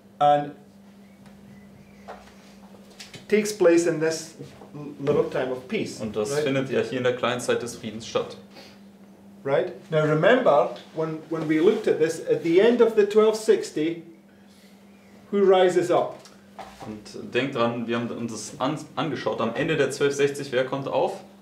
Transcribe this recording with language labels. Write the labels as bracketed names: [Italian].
[English] And takes place in this little time of peace. [German] Und das, [English] right? [German] Findet ja hier in der kleinen Zeit des Friedens statt. [English] right? Now remember, when we looked at this, at the end of the 1260, who rises up? [German] Und denkt dran, wir haben uns das angeschaut, am Ende der 1260, wer kommt auf?